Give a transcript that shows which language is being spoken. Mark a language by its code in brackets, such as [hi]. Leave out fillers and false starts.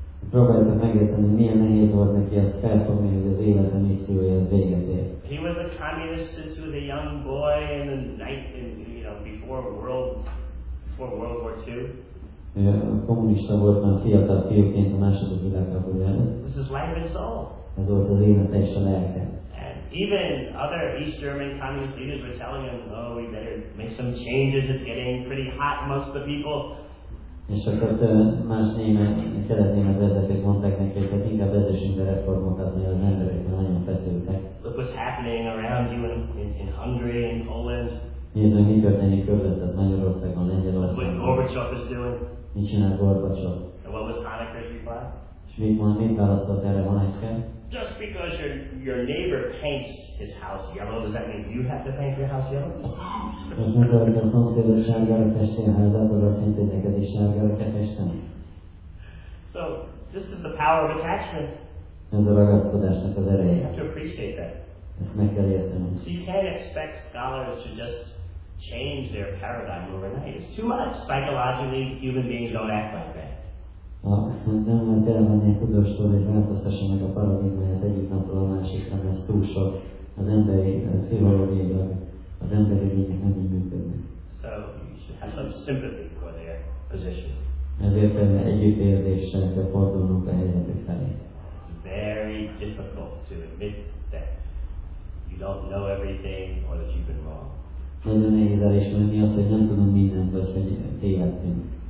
[hu] Próbáltam megérteni, milyen nehéz volt neki azt felfogni, hogy az élete missziója az véget ér. [en] He was a communist since he was a young boy in the night, in, you know, before World War II. [hu] A kommunista volt már fiatal fiúként a második világháború előtt. [en] This is life and soul. [hu] Ez volt az élete és a lelke. [en] And even other East German communist leaders were telling him, oh, we better make some changes, it's getting pretty hot amongst the people. [hu] És akkor más német, kelet-német vezetők mondták neki, hogy hát inkább vezessünk a reformot, mert az emberek nagyon feszültek. [en] Look what's happening around you in Hungary and Poland. [hu] Nézd meg, mi történik körülötted Magyarországon, Lengyelországon. [en] What Gorbachev is doing. [hu] Mit csinál Gorbachev? [en] And what was Honecker's reply? [hu] És mit mond, mit választott erre Honecker? [en] Just because your neighbor paints his house yellow, does that mean you have to paint your house yellow? [hu] Azt mondta, hogy a szomszéd a sárgára festi a házat, az azt jelenti, hogy neked is sárgára kell festeni. [en] So, this is the power of attachment. [hu] Ez a ragaszkodásnak az ereje. [en] You have to appreciate that. [hu] Ezt meg kell érteni. [en] So you can't expect scholars to just change their paradigm overnight. It's too much. Psychologically, human beings don't act like that. [hu] Nem lehet elmenni a tudostól, hogy változtassa meg a paradigmáját egyik napról a másiknak, ez túl sok. Az emberi pszichológiailag, az emberi lények nem így működnek. [en] So you should have some sympathy for their position. [hu] Ezért együttérzéssel kell fordulnunk a helyzetük felé. [en] It's very difficult to admit that you don't know everything or that you've been wrong. [hu] Nagyon nehéz elismerni azt, hogy nem tudom mindent, vagy hogy tévedtünk.